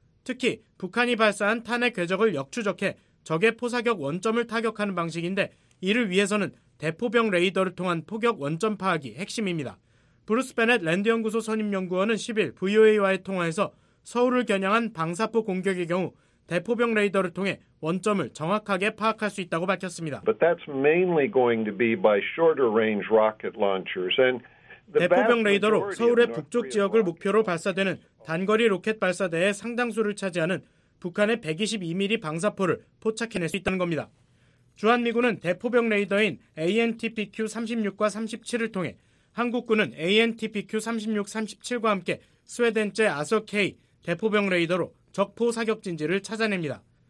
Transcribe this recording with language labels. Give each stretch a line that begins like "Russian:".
Korean: 특히 북한이 발사한 탄핵 궤적을 역추적해 적의 포사격 원점을 타격하는 방식인데 이를 위해서는 대포병 레이더를 통한 포격 원점 파악이 핵심입니다. 브루스 베넷 랜드연구소 선임연구원은 10일 VOA와의 통화에서 서울을 겨냥한 방사포 공격의 경우 대포병 레이더를 통해 원점을 정확하게 파악할 수 있다고 밝혔습니다.
English: But that's mainly going to be by shorter range rocket launchers. And
Korean: 대포병 레이더로 서울의 북쪽 지역을 목표로 발사되는 단거리 로켓 발사대의 상당수를 차지하는 북한의 122mm 방사포를 포착해낼 수 있다는 겁니다. 주한미군은 대포병 레이더인 ANTPQ-36과 37을 통해 한국군은 ANTPQ-36-37과 함께 스웨덴제 아서K 대포병 레이더로 적포 사격 진지를 찾아냅니다.